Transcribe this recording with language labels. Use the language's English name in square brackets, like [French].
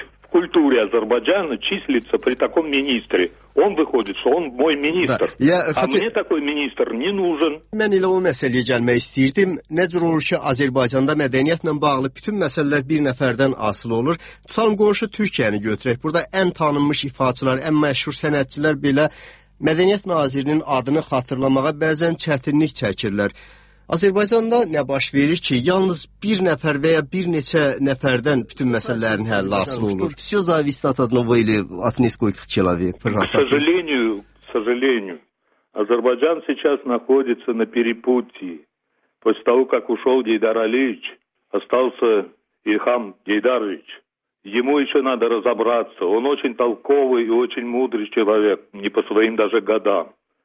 [Russian] культуре Азербайджана числится при таком министре. Он выходит, что он мой министр. Да. Я, а хоть... мне такой министр не нужен. [Azerbaijani] Мен ile o meseleye gelmek istirdim. Necür olur ki Azerbaycan'da medeniyetlə bağlı bütün məsələlər bir nəfərdən asılı olur. Tutalım qonşu Türkiyəni götürək. Burada ən tanınmış ifaçılar, ən məşhur sənətçilər belə mədəniyyət nazirinin adını xatırlamağa bəzən çətinlik çəkirlər. Azərbaycanda nə baş verir ki, yalnız bir nəfər və ya bir neçə nəfərdən bütün məsələlərin həlli asılı olur? [Russian] Всё зависит от одного или от нескольких человек. Пожалуйста. К сожалению, Азербайджан сейчас находится на перепутье. После того, как ушёл Гейдар Алиевич, остался Ильхам Гейдарович. Ему еще надо разобраться. Он очень толковый и очень мудрый человек, не по своим даже годам.